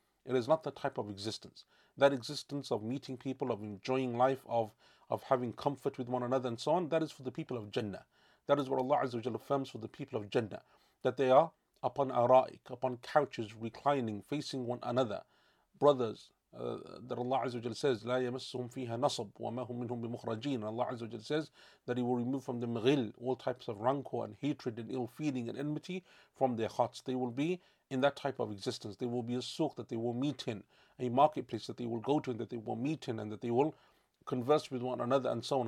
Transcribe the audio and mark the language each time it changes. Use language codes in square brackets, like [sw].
[en] It is not that type of existence. That existence of meeting people, of enjoying life, of having comfort with one another and so on, that is for the people of Jannah. That is what Allah Azza wa Jalla affirms for the people of Jannah, that they are upon ara'ik, upon couches, reclining, facing one another. Brothers, that Allah Azza wa Jalla says, [ar] لا يمسهم فيها نصب وما هم منهم بمخرجين. [en] Allah Azza wa Jalla says that He will remove from them ghil, all types of rancor and hatred and ill feeling and enmity from their hearts. They will be in that type of existence. There will be a souk that they will meet in, a marketplace that they will go to and that they will meet in and that they will converse with one another and so on.